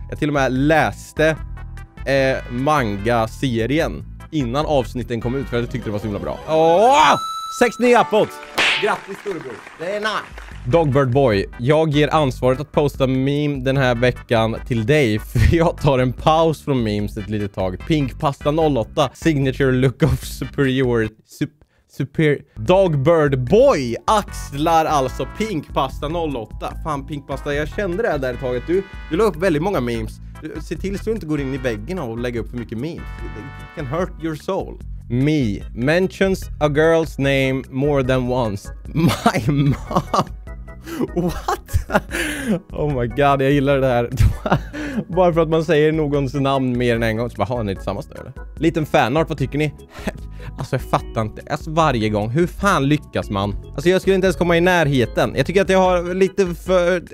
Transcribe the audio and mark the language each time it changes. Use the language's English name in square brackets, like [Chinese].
[Swedish] Jag till och med läste manga-serien innan avsnitten kom ut, för jag tyckte det var så himla bra. Åh! 69 uppåt! Grattis, storebror. Det är nice. Dogbird Boy, jag ger ansvaret att posta meme den här veckan till dig, för jag tar en paus från memes ett litet tag. [English] Pinkpasta 08, signature look of superiority. [Swedish] Dogbird Boy axlar alltså Pinkpasta 08. Fan, Pinkpasta, jag kände det där ett taget. Du la upp väldigt många memes. Se till så du inte går in i väggen och lägger upp för mycket memes. [English] It can hurt your soul. Me mentions a girl's name more than once. My mom. What? Oh my god, [Swedish] jag gillar det här. Bara för att man säger någons namn mer än en gång. Så bara, har ni tillsammans nu eller? Liten fanart, vad tycker ni? Alltså jag fattar inte. Alltså varje gång, hur fan lyckas man? Alltså jag skulle inte ens komma i närheten. Jag tycker att jag har lite för...